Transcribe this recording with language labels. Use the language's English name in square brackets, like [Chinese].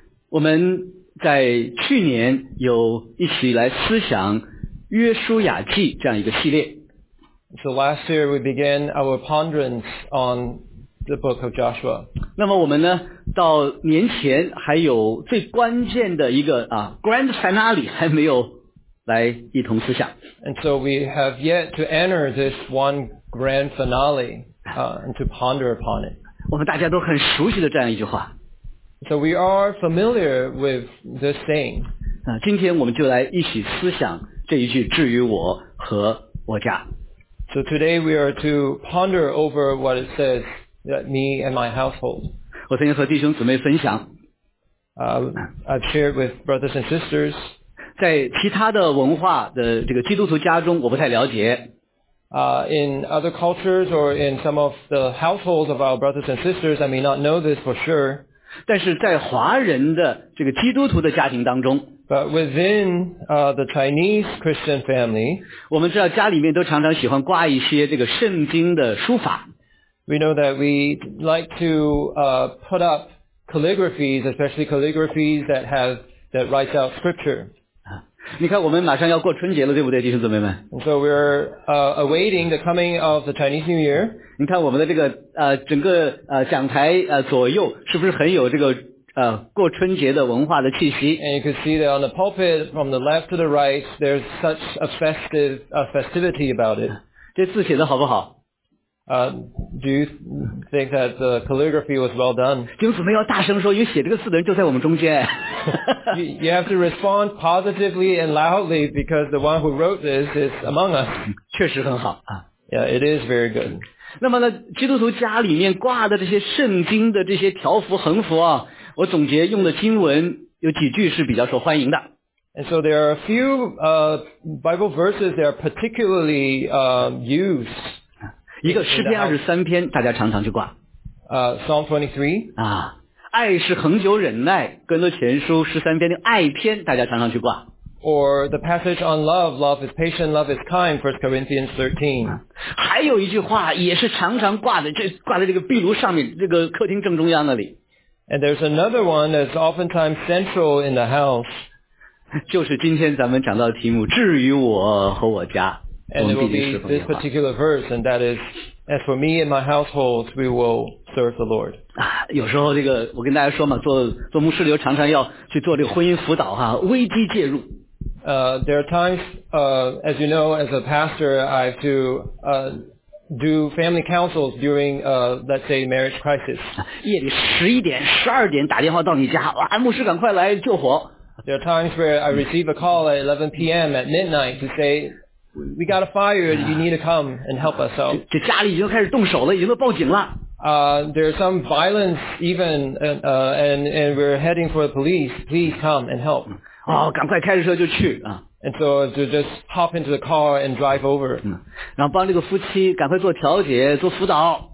[Chinese] 我们在去年有一起来思想约书亚记这样一个系列。 [English] So last year we began our ponderance on the book of Joshua. [Chinese] 那么我们呢，到年前还有最关键的一个啊 [English] grand finale [Chinese] 还没有来一同思想。 [English] And so we have yet to enter this one grand finale, and to ponder upon it. [Chinese] 我们大家都很熟悉的这样一句话。 [English] So we are familiar with this saying. [Chinese] 啊，今天我们就来一起思想这一句，至于我和我家。 [English] So today we are to ponder over what it says that me and my household. [Chinese] 我曾经和弟兄姊妹分享。 [English] I've shared with brothers and sisters. [Chinese] 在其他的文化的这个基督徒家中，我不太了解。 [English] In other cultures or in some of the households of our brothers and sisters, I may not know this for sure. [Chinese] 但是在华人的这个基督徒的家庭当中。 [English] But within, the Chinese Christian family, [Chinese] 我们知道家里面都常常喜欢挂一些这个圣经的书法。 [English] We know that we like to put up calligraphies, especially calligraphies that write out scripture. [Chinese] 你看我们马上要过春节了，对不对，弟兄姊妹们？ [English] And so we're awaiting the coming of the Chinese New Year. [Chinese] 你看我们的这个整个讲台左右是不是很有这个过春节的文化的气息？ [English] And you can see that on the pulpit from the left to the right, there's such a festivity about it. [Chinese] 这字写的好不好？ [English] Do you think that the calligraphy was well done? [Chinese] 弟兄姊妹要大声说，因为写这个字的人就在我们中间。 [English] You have to respond positively and loudly because the one who wrote this is among us. [Chinese] 确实很好。 [English] Yeah, it is very good. [Chinese] 那么呢，基督徒家里面挂的这些圣经的这些条幅横幅啊，我总结用的经文有几句是比较受欢迎的。 [English] And so there are a few, Bible verses that are particularly, used. [Chinese] 一个诗篇二十三篇，大家常常去挂。 [English] Psalm 23. [Chinese] 啊，爱是恒久忍耐，哥林多前书十三篇的爱篇，大家常常去挂。 [English] Or the passage on love, love is patient, love is kind, 1 Corinthians 13. [Chinese] 还有一句话也是常常挂的，这挂在这个壁炉上面，这个客厅正中央那里。 [English] And there's another one that's oftentimes central in the house. [Chinese] 就是今天咱们讲到的题目，至于我和我家。 [English] And it will be this particular verse, and that is, as for me and my household, we will serve the Lord. [Chinese] 啊，有时候这个我跟大家说嘛，做牧师的常常要去做这个婚姻辅导哈，危机介入。 [English] There are times, as you know, as a pastor, I have to do family councils during, let's say, marriage crisis. [Chinese] 夜里十一点、十二点打电话到你家，哇，牧师赶快来救火。 [English] There are times where I receive a call at 11 p.m. at midnight to say. We got a fire, you need to come and help us out. [Chinese] 这家里已经开始动手了，已经都报警了。 [English] There's some violence even, and we're heading for the police. Please come and help. [Chinese] 哦，赶快开着车就去啊。 [English] And so to just hop into the car and drive over. [Chinese] 然后帮这个夫妻赶快做调解，做辅导。